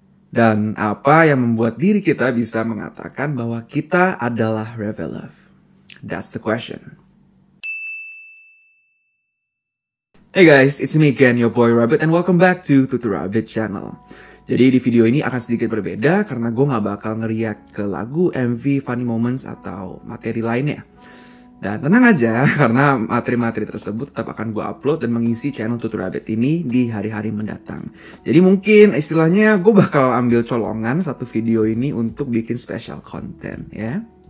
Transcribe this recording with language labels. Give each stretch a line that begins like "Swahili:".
Indonesian: Dan apa yang membuat diri kita bisa mengatakan bahwa kita adalah Ravenloft?
English: That's the question. Hey guys, it's me again, your boy Rabbit, and welcome back to Tutu Rabbit Channel.
Indonesian: Jadi di video ini akan sedikit berbeda karena gue gak bakal nge-react ke lagu, MV, funny moments, atau materi lainnya. Dan tenang aja, karena materi-materi tersebut tetap akan gue upload dan mengisi channel Tutu Rabbit ini di hari-hari mendatang. Jadi mungkin istilahnya gue bakal ambil colongan satu video ini untuk bikin special content ya.